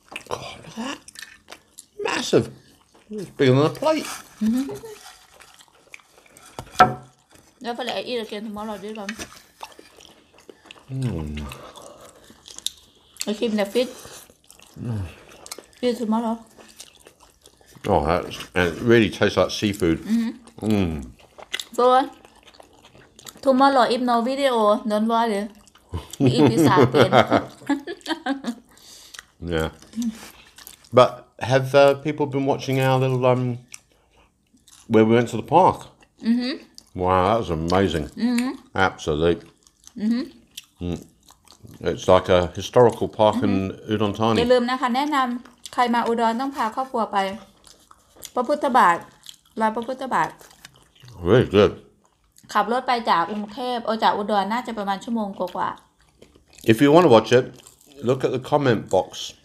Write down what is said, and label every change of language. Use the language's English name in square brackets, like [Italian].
[English] God look at that massive it's bigger than a plate [Thai] แล้วไปเลยอีกแล้วกินทั้งหมดเราดีดบัน [English] I keep the fish. Fish tomorrow. Oh, that's, and it really tastes like seafood. Mm-hmm. Mm. So, tomorrow, if no video, don't worry. We eat this again. Yeah. But have people been watching our little, where we went to the park? Mm-hmm. Wow, that was amazing. Mm-hmm. Absolute. Mm-hmm. Mm. It's like a historical park in Udon Thani. [Thai] อย่าลืมนะคะแนะนำใครมาอุดรต้องพาครอบครัวไปพระพุทธบาทลอยพระพุทธบาท [English] Really good. [Thai] ขับรถไปจากกรุงเทพออกจากอุดรน่าจะประมาณชั่วโมงกว่า [English] If you want to watch it, look at the comment box.